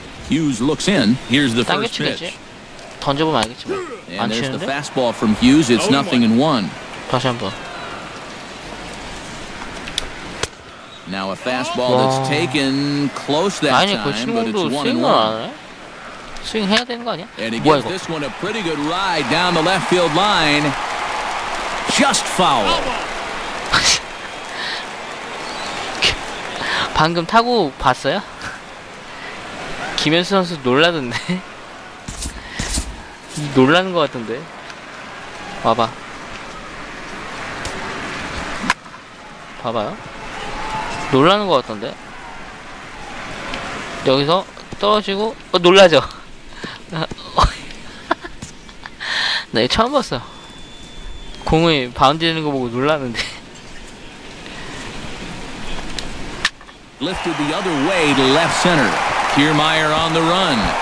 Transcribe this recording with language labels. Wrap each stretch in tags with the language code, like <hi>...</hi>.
<en>Hughes looks in. Here's the first pitch.</en> <ko>던져보면 알겠지만.</ko> <en>And there's the fastball from Hughes. It's nothing and one.</en> <ko>다시 한 번.</ko> <en>Now a fastball that's taken close that time, but it's one and one.</en> <ko>스윙해야 되는 거 아니야?</ko> <en>And he gives</en> <ko>뭐야 이거?</ko> <en>This one a pretty good ride down the left field line. Just foul.</en> <ko>방금 타고 봤어요? 김현수 선수 놀라던데? 놀라는 거 같던데? 봐봐. 봐봐요. 놀라는 거 같던데? 여기서 떨어지고 놀라죠. 나 이거 처음 봤어. 공이 바운드 되는 거 보고 놀랐는데.</ko> <en>Lifted the other way to left center. Kiermaier on the run.</en>